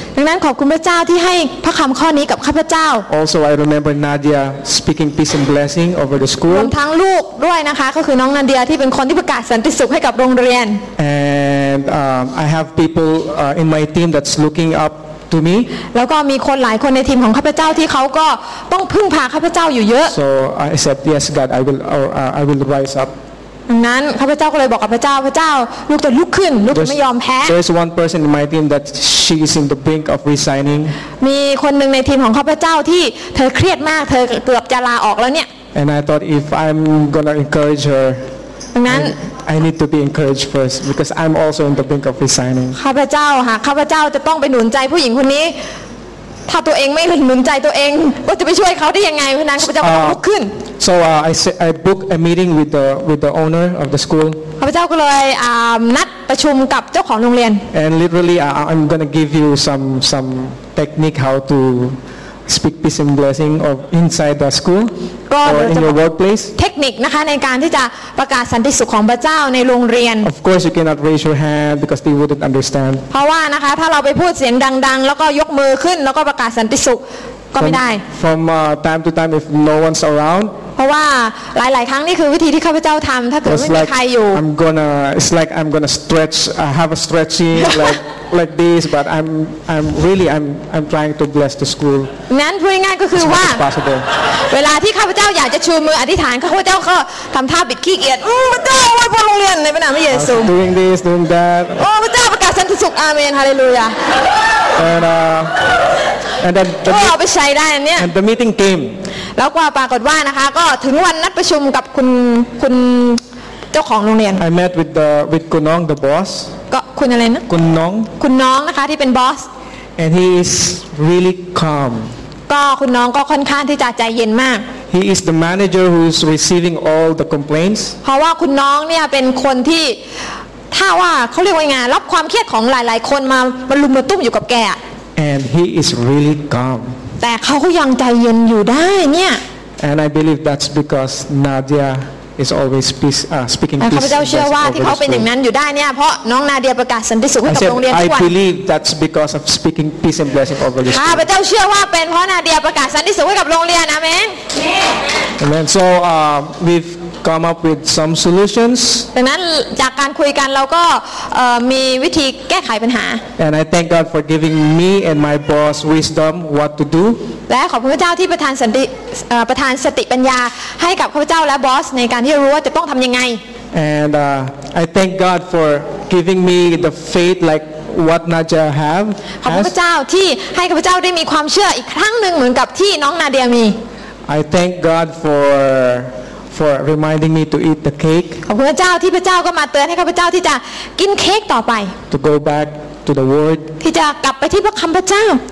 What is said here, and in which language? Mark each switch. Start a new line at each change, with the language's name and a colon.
Thai: ดังนั้นขอบคุณพระเจ้าที่ให้พระคำข้อนี้กับข้าพเจ้า
English: Also, I remember Nadia speaking peace and blessing over the school.
Thai: รวมทั้งลูกด้วยนะคะก็คือน้องนาเดียที่เป็นคนที่ประกาศสันติสุขให้กับโรงเรียน
English: And I have people in my team that's looking up to me.
Thai: แล้วก็มีคนหลายคนในทีมของข้าพเจ้าที่เขาก็ต้องพึ่งพาข้าพเจ้าอยู่เยอะ
English: So I said yes, God, I will rise up.
Thai: ดังนั้นข้าพเจ้าก็เลยบอกกับพระเจ้าลูกจะลุกขึ้นลูกไม่ยอมแพ้
English: There's one person in my team that she is in the brink of resigning
Thai: มีคนหนึ่งในทีมของข้าพเจ้าที่เธอเครียดมากเธอเกือบจะลาออกแล้วเนี่ย
English: And I thought if I'm gonna encourage her
Thai: ดังนั้น
English: I need to be encouraged first because I'm also in the brink of resigning
Thai: ข้าพเจ้าค่ะข้าพเจ้าจะต้องไปหนุนใจผู้หญิงคนนี้ถ้าตัวเองไม่หนุนใจตัวเองก็จะไปช่วยเขาได้ยังไงเพราะนั้นข้าพเจ้าต้องลุกขึ้น
English: So I booked a meeting with the owner of the school.
Thai: ข้าพเจ้าก็เลยนัดประชุมกับเจ้าของโรงเรียน
English: And literally I'm gonna give you some technique how to speak peace and blessing of inside the school or in your workplace.
Thai: เทคนิคนะคะในการที่จะประกาศสันติสุขของพระเจ้าในโรงเรียน
English: Of course you cannot raise your hand because they wouldn't understand.
Thai: เพราะว่านะคะถ้าเราไปพูดเสียงดังๆแล้วก็ยกมือขึ้นแล้วก็ประกาศสันติสุข ก็ไม่ได้
English: from time to time if no one's around
Thai: เพราะว่าหลายๆครั้งนี่คือวิธีที่ข้าพเจ้าทำถ้าเกิดไม่มีใครอยู่
English: I'm gonna it's like I'm gonna stretch I have a stretching like this but I'm trying to bless the school
Thai: นั้นพูดง่ายก็คือว่าเวลาที่ข้าพเจ้าอยากจะชูมืออธิษฐานข้าพเจ้าก็ทำท่าบิดขี้เกียจพระเจ้าไว้บนโรงเรียนในพระนามพระเยซู
English: doing this doing that
Thai: โอ้พระเจ้าประกาศสันติสุขอาเมนฮาเลลูยา
English: And then
Thai: เอาไปใช้ได้อันเนี้ย
English: And the meeting came
Thai: แล้วกว่าปรากฏว่านะคะก็ถึงวันนัดประชุมกับคุณเจ้าของโรงเรียน
English: I met with คุณน้อง the boss
Thai: ก็คุณอะไรนะ คุณน้อง นะคะที่เป็นบอส
English: And he is really calm
Thai: ก็คุณน้องก็ค่อนข้างที่จะใจเย็นมาก
English: He is the manager who is receiving all the complaints
Thai: เพราะว่าคุณน้องเนี่ยเป็นคนที่ถ้าว่าเขาเรียกว่าไงรับความเครียดของหลายๆคนมาลุมมาตุ้มอยู่กับแก
English: And he is really calm.
Thai: แต่เขายังใจเย็นอยู่ได้เนี่ย
English: And I believe that's because Nadia is always peace, speaking peace.
Thai: ข้าพเจ้าเชื่อว่าที่เขาเป็นอย่างนั้นอยู่ได้เนี่ยเพราะน้องนาเดียประกาศสันติสุขให้กับโรงเรียนทุกวัน
English: I believe that's because of speaking peace and blessing over the school.
Thai: ข้าพเจ้าเชื่อว่าเป็นเพราะนาเดียประกาศสันติสุขให้กับโรงเรียนนะแม่
English: Amen. So we've come up with some solutions.
Thai: ดังนั้นจากการคุยกันเราก็มีวิธีแก้ไขปัญหา
English: And I thank God for giving me and my boss wisdom what to do.
Thai: และขอบคุณพระเจ้าที่ประทานสันติประทานสติปัญญาให้กับข้าพเจ้าและบอสในการที่รู้ว่าจะต้องทำยังไง
English: And I thank God for giving me the faith like what Nadia have.
Thai: ขอบคุณพระเจ้าที่ให้ข้าพเจ้าได้มีความเชื่ออีกครั้งนึงเหมือนกับที่น้องนาเดียมี
English: I thank God for reminding me to eat the cake
Thai: ขอบคุณพระเจ้าที่พระเจ้าก็มาเตือนให้ข้าพเจ้าที่จะกินเค้กต่อไป
English: to go back to the word
Thai: ที่จะกลับไปที่พระคำพระเจ้า